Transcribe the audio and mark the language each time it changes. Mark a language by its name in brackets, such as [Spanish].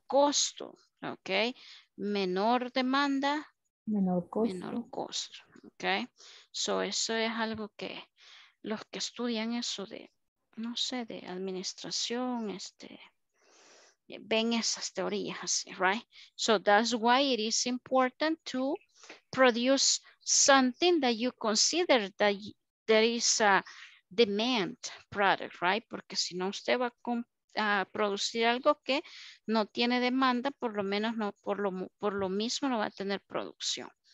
[Spanish] Costo, okay? Menor demanda, menor costo, [English] okay? [Spanish] So eso es algo que los que estudian eso de, no sé, de administración, ven esas teorías así, right? [English] So that's why it is important to produce something that you consider that there is a demand product, right? [Spanish] Porque si no, usted va a producir algo que no tiene demanda, por lo menos no, por lo mismo no va a tener producción.